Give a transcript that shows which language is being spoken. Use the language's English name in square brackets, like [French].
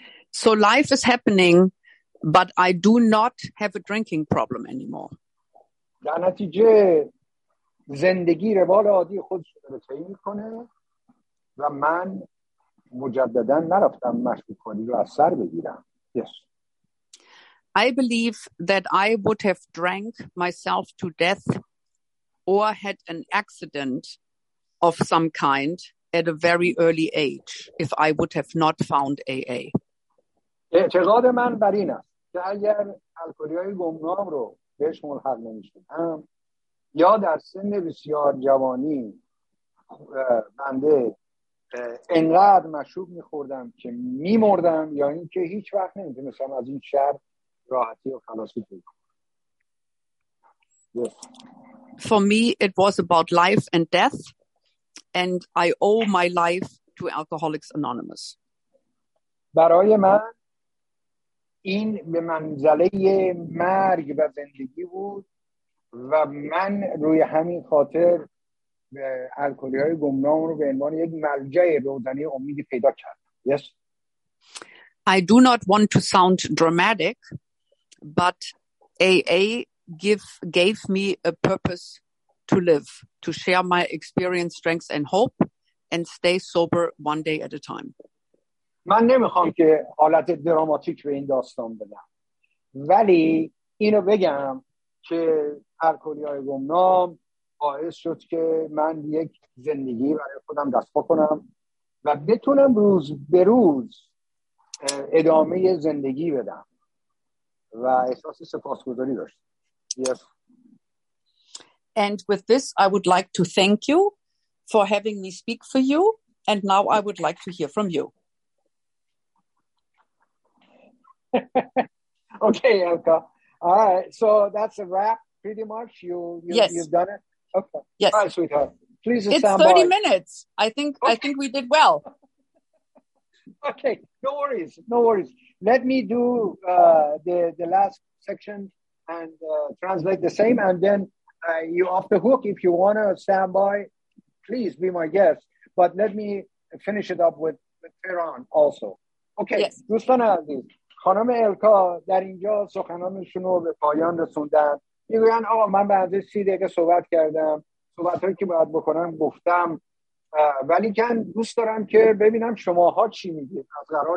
[English] So life is happening but I do not have a drinking problem anymore. [Persian] در نتیجه زندگی روال عادی خودش رو داره طی می‌کنه و من مجددا نرفتم مشروب خوری رو از سر بگیرم. [English] Yes. I believe that I would have drank myself to death or had an accident of some kind at a very early age if I would have not found AA. [Persian] اعتقاد من بر این است که اگر الکلی‌های گمنام رو بهش ملحق نمی‌شدم یا در سن بسیار جوانی بنده انقدر مشروب می‌خوردم که می‌مردم یا اینکه هیچ وقت نمی‌تونستم از این شر راحتی و خلاصی پیدا کنم. [English] Yes. For me it was about life and death and I owe my life to Alcoholics Anonymous. [Persian] برای من این به منزله مرگ و زندگی بود و من روی همین خاطر الکلی‌های گمنام رو به عنوان یک ملجع روزنی امیدی پیدا کردم. [English] Yes. I do not want to sound dramatic but AA gave me a purpose to live, to share my experience, strengths and hope and stay sober one day at a time. [Persian] من نمیخوام که حالت دراماتیک به این داستان بدم ولی اینو بگم که الکلی‌های گمنام باعث شد که من یک زندگی برای خودم دست پا کنم و بتونم روز به روز ادامه زندگی بدم و احساس سپاسگزاری داشت. [English] Yes. And with this I would like to thank you for having me speak for you and now I would like to hear from you. Okay, Elka. All right, so that's a wrap pretty much. Yes. You've done it. Okay. Yes. All right, sweetheart. Please stand by. It's 30 minutes. I think we did well. Okay, no worries. Let me do the last section and translate the same, and then you off the hook. If you want to stand by, please be my guest. But let me finish it up with Tehran also. Okay, yes. [Persian] دوستان عزیز، خانم الکا در اینجا سخنانشون رو به پایان رسوندن. میگوین آقا من به اندازه 30 دقیقه صحبت کردم، صحبت هایی که باید بکنم گفتم، ولی کن دوست دارم که ببینم شماها چی میگید از قرار